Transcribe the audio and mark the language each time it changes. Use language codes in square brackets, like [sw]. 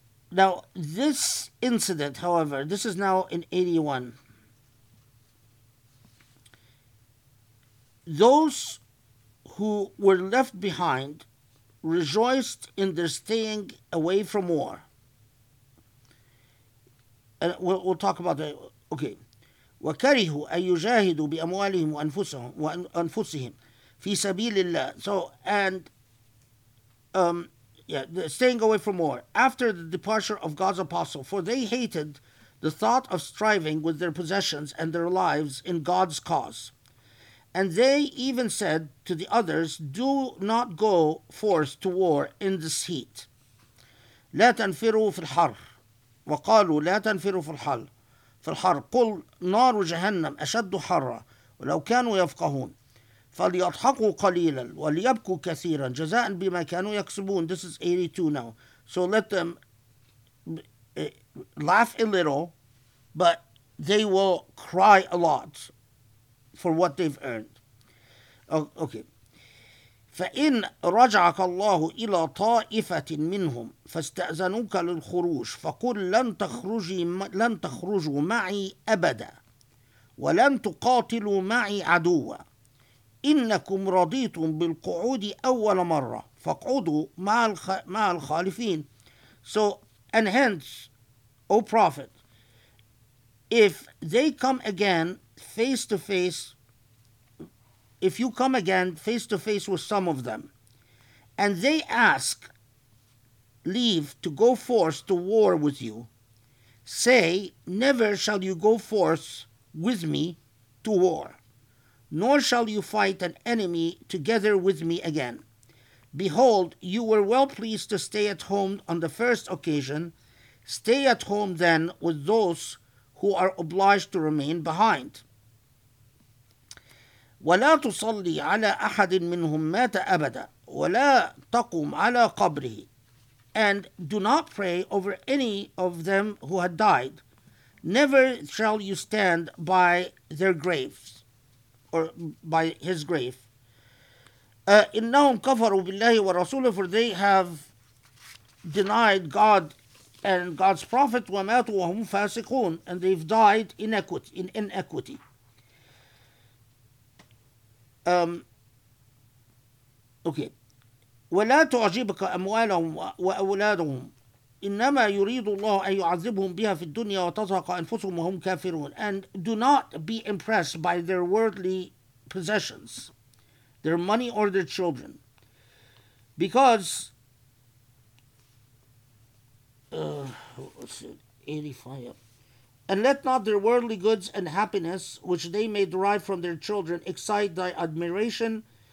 [en] Now, this incident, however, this is now in 81. Those who were left behind rejoiced in their staying away from war. And we'll talk about that. Okay. [ar] وكرهوا أن يجاهدوا بأموالهم وأنفسهم في سبيل الله. [en] So, and the staying away from war after the departure of God's apostle, for they hated the thought of striving with their possessions and their lives in God's cause. And they even said to the others, do not go forth to war in this heat. [ar] لا تنفروا في الحر. وقالوا لا تنفروا في الحر. في الحر قل نار جهنم أشد حرا ولو كانوا يفقهون فليضحكوا قليلا وليبكوا كثيرا جزاء بما كانوا يكسبون. [en] This is 82 now. So let them laugh a little, but they will cry a lot for what they've earned. Okay. [ar] فإن رجعك الله إلى طائفة منهم فاستأذنوك للخروج فقل لن تخرجوا معي أبدا ولن تقاتلوا معي عدوا إنكم رضيتم بالقعود أول مرة فاقعدوا مع الخالفين. [en] So, and hence, O Prophet, if they come again face to face, if you come again face to face with some of them, and they ask leave to go forth to war with you, say, never shall you go forth with me to war, nor shall you fight an enemy together with me again. Behold, you were well pleased to stay at home on the first occasion. Stay at home then with those who are obliged to remain behind. [ar] ولا تصلي على أحد منهم مات أبدا ولا تقوم على قبره. [en] And do not pray over any of them who had died. Never shall you stand by their graves or by his grave. [ar] إنهم كفروا بالله ورسوله, [en] for they have denied God and God's prophet, [ar] وماتوا وهم فاسقون, [en] and they've died in inequity. Okay. [ar] ولا تعجبك أموالهم وأولادهم إنما يريد الله أن يعذبهم بها في الدنيا وتزهق أنفسهم وهم كافرون. [en] And do not be impressed by their worldly possessions, their money or their children, because 85. And let not their worldly goods and happiness, which they may derive from their children, excite thy admiration.